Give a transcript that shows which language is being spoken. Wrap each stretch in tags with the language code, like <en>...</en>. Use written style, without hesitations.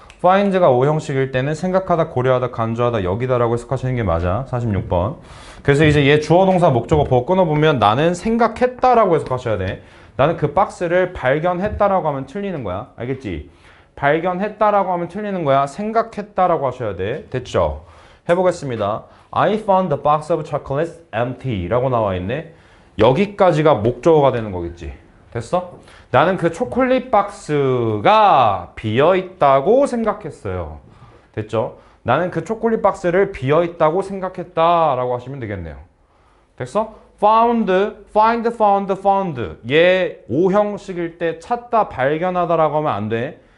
<ko>find가 5형식일 때는 생각하다, 고려하다, 간주하다, 여기다 라고 해석하시는 게 맞아. 46번. 그래서 이제 얘 주어동사 목적어 보고 끊어보면 나는 생각했다 라고 해석하셔야 돼. 나는 그 박스를 발견했다 라고 하면 틀리는 거야. 알겠지? 발견했다 라고 하면 틀리는 거야. 생각했다 라고 하셔야 돼. 됐죠? 해보겠습니다.</ko> <en>I found the box of chocolates empty</en> <ko>라고 나와 있네. 여기까지가 목적어가 되는 거겠지. 됐어? 나는 그 초콜릿 박스가 비어있다고 생각했어요. 됐죠? 나는 그 초콜릿 박스를 비어있다고 생각했다 라고 하시면 되겠네요. 됐어? found, find, found, found 얘 5형식일 때 찾다, 발견하다 라고 하면 안 돼.</ko>